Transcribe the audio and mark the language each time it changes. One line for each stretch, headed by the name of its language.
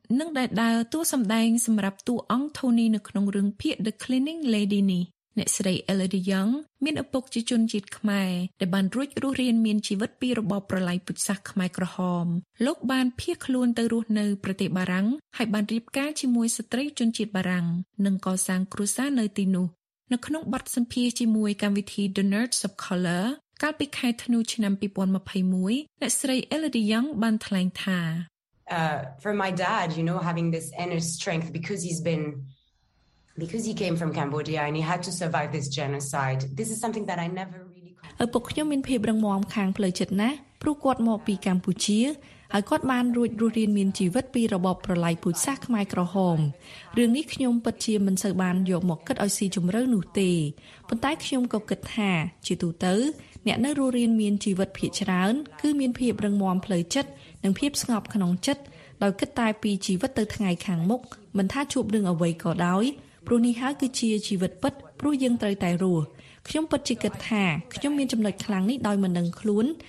Khmer: និងដែលដើរតួសម្ដែងសម្រាប់តួអង្គថូនីនៅក្នុងរឿងភាគ The Cleaning Lady នេះអ្នកស្រី Elodie Young មានឪពុកជាជនជាតិខ្មែរដែលបានរួចរស់រានមានជីវិតពីរបបប្រល័យពូជសាសន៍ខ្មែរក្រហមលោកបានភៀសខ្លួនទៅរស់នៅប្រទេសបារាំងហើយបានរៀបការជាមួយស្ត្រីជនជាតិបារាំងនិងកសាងគ្រួសារនៅទីនោះនៅក្នុងបទសម្ភាសន៍ជាមួយកម្មវិធី The Nerds of Color កាលពីខែធ្នូឆ្នាំ2021អ្នកស្រី Elodie Young បានថ្លែងថា
English: For my dad, you know, having this inner strength because he came from Cambodia and he had to survive this genocide. This is something that I never really
Khmer: ឪពុកខ្ញុំមានភាពរឹងមាំខាងផ្លូវចិត្តណាស់ព្រោះគាត់មកពីកម្ពុជាហើយគាត់បានរួចរស់រានមានជីវិតពីរបបប្រល័យពូជសាសន៍ខ្មែរក្រហមរឿងនេះខ្ញុំពិតជាមិនសូវបានយកមកគិតឲ្យស៊ីជម្រៅនោះទេ ប៉ុន្តែខ្ញុំក៏គិតថាជាទូទៅអ្នកនៅរស់រានមានជីវិតភាគច្រើនគឺមានភាពរឹងមាំផ្លូវចិត្តនិងភាពស្ងប់ក្នុងចិត្តដោយគិតតែពីជីវិតទៅថ្ងៃខាងមុខមិនថាជួបនឹងអ្វីក៏ដោយព្រោះនេះហើយគឺជាជីវិតពិតព្រោះយើងត្រូវតែរស់ខ្ញុំពិតជាគិតថាខ្ញុំមានចំណុចខ្លាំងនេះដោយមិនដឹងខ្លួន